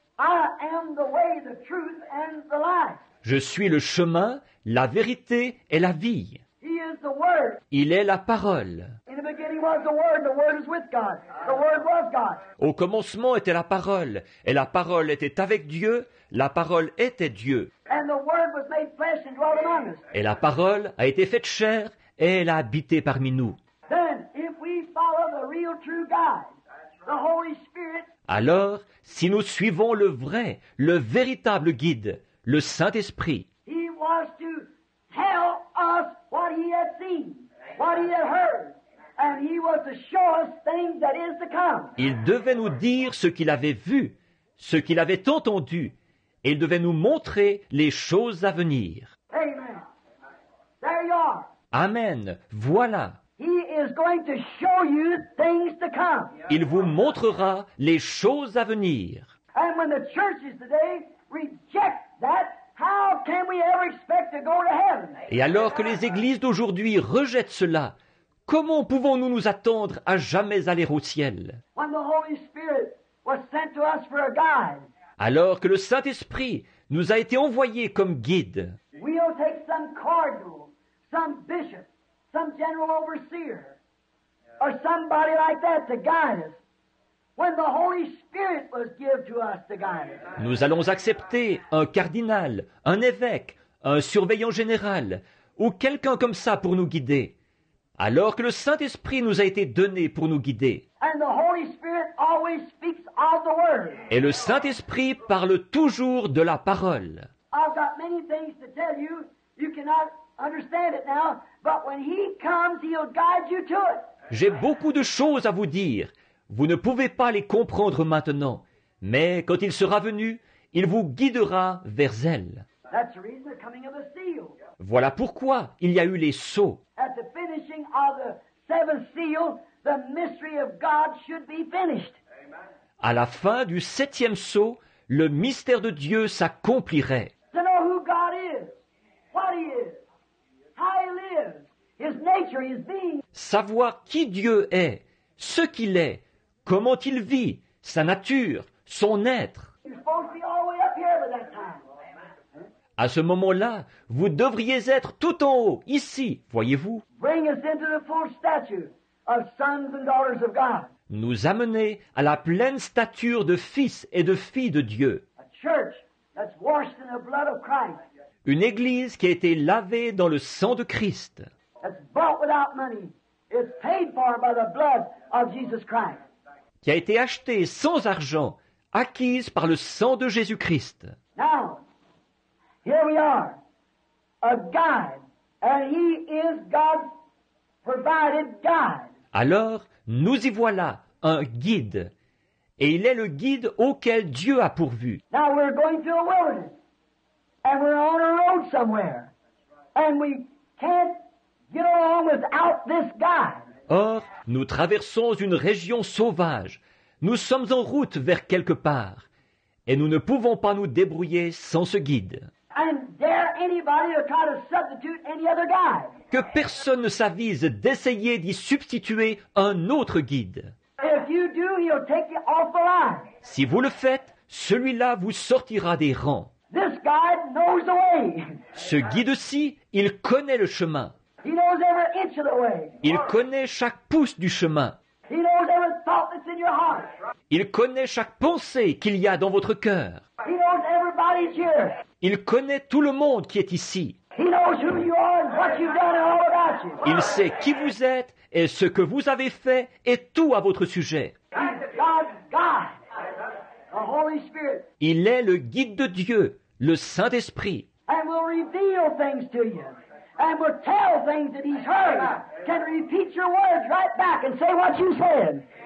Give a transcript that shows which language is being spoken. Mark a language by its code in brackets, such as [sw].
[en] I am the way, the truth, and the life. [fr] Je suis le chemin, la vérité et la vie. [en] He is the word. [fr] Il est la parole. [en] In the beginning was the word is with God. The word was God. [fr] Au commencement était la parole, et la parole était avec Dieu, la parole était Dieu. [en] And the word was made flesh and dwelt among us. [fr] Et la parole a été faite chair et elle a habité parmi nous. [en] Then if we follow the real true God, the Holy Spirit. [fr] Alors, si nous suivons le vrai, le véritable guide, le Saint-Esprit. [en] He was to tell us what he had seen, what he had heard, and he was to show us things that is to come. [fr] Il devait nous dire ce qu'il avait vu, ce qu'il avait entendu, et il devait nous montrer les choses à venir. [en] Amen. There you are. [fr] Amen. Voilà. [en] He is going to show you things to come. [fr] Il vous montrera les choses à venir. [en] And when the churches today reject that, how can we ever expect to go to heaven? [fr] Et alors que les églises d'aujourd'hui rejettent cela, comment pouvons-nous nous attendre à jamais aller au ciel? [en] When the Holy Spirit was sent to us for a guide. [fr] Alors que le Saint-Esprit nous a été envoyé comme guide. [en] We'll take some cardinal, some bishop, some general overseer, or somebody like that to guide us. When the Holy Spirit was given to us to guide us. [fr] Nous allons accepter un cardinal, un évêque, un surveillant général, ou quelqu'un comme ça pour nous guider. Alors que le Saint-Esprit nous a été donné pour nous guider. [en] And the Holy Spirit always speaks of the word. [fr] Et le Saint-Esprit parle toujours de la parole. [en] I've got many things to tell you. You cannot understand it now. But when he comes, he'll guide you to it. [fr] J'ai beaucoup de choses à vous dire. Vous ne pouvez pas les comprendre maintenant. Mais quand il sera venu, il vous guidera vers elles. [en] That's the reason the coming of the seal. [fr] Voilà pourquoi il y a eu les sceaux. [en] At the finishing of the seventh seal, the mystery of God should be finished. [fr] À la fin du septième sceau, le mystère de Dieu s'accomplirait. [en] To know who God is, what he is, how he lives, his nature, his being. [fr] Savoir qui Dieu est, ce qu'il est, comment il vit, sa nature, son être. [en] You're supposed to be all the way up here by that time. [fr] À ce moment-là, vous devriez être tout en haut, ici, voyez-vous. [en] Bring us into the full stature of sons and daughters of God. [fr] Nous amener à la pleine stature de fils et de filles de Dieu. [en] A church that's washed in the blood of Christ. [fr] Une église qui a été lavée dans le sang de Christ. [en] That's bought without money. It's paid for by the blood of Jesus Christ. [fr] Qui a été achetée sans argent, acquise par le sang de Jésus-Christ. [en] Now, here we are, a guide, and he is God's provided guide. [fr] Alors, nous y voilà, un guide. Et il est le guide auquel Dieu a pourvu. [en] Now we're going through a wilderness, and we're on a road somewhere, and we can't get along without this guide. [fr] Or, nous traversons une région sauvage. Nous sommes en route vers quelque part, et nous ne pouvons pas nous débrouiller sans ce guide. [en] And dare anybody to try to substitute any other guide. [fr] Que personne ne s'avise d'essayer d'y substituer un autre guide. [en] If you do, he'll take you off the line. [fr] Si vous le faites, celui-là vous sortira des rangs. [en] This guide knows the way. [fr] Ce guide-ci, il connaît le chemin. [en] He knows every inch of the way. [fr] Il connaît chaque pouce du chemin. [en] He knows every thought that's in your heart. [fr] Il connaît chaque pensée qu'il y a dans votre cœur. [en] He knows everybody's here. [fr] Il connaît tout le monde qui est ici. [en] He knows who you are and what you've done and all about you. [fr] Il sait qui vous êtes et ce que vous avez fait et tout à votre sujet. [en] God, the Holy Spirit. [fr] Il est le guide de Dieu, le Saint-Esprit. [en] And will reveal things to you. And will tell things that he's heard. Can repeat your words right back and say what you said.